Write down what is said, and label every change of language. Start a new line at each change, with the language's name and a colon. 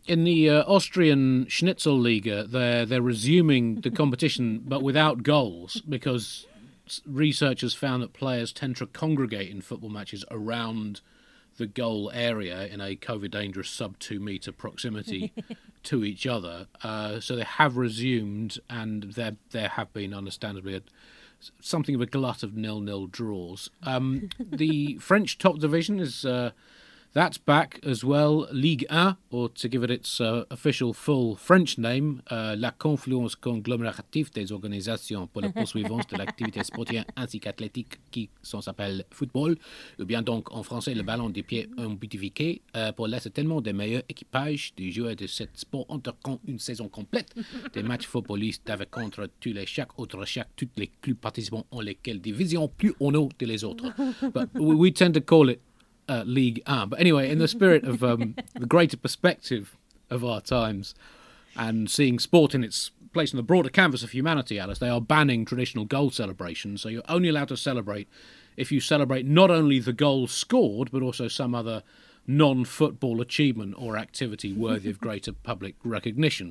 English: In the Austrian Schnitzelliga, they're resuming the competition, but without goals, because researchers found that players tend to congregate in football matches around the goal area in a COVID-dangerous sub-2-metre proximity to each other. So they have resumed, and there have been, understandably, something of a glut of 0-0 draws. The French top division is back as well.
French: Ligue 1, or to give it its official full French name, La Confluence Conglomérative des Organisations pour la Poursuivance de l'Activité Sportive ainsi qu'Athlétique qui s'en s'appelle Football, ou bien donc en français le ballon des pieds ambitifié pour l'assainement des meilleurs équipages des joueurs de cet sport entrant une saison complète des matchs footballistes avec contre tous les chaque autre chaque tous les clubs participants en lesquelles division plus honneur de les autres.
English: But we tend to call it Ligue 1. But anyway, in the spirit of the greater perspective of our times and seeing sport in its place in the broader canvas of humanity, Alice, they are banning traditional goal celebrations. So you're only allowed to celebrate if you celebrate not only the goal scored, but also some other non-football achievement or activity worthy of greater public recognition.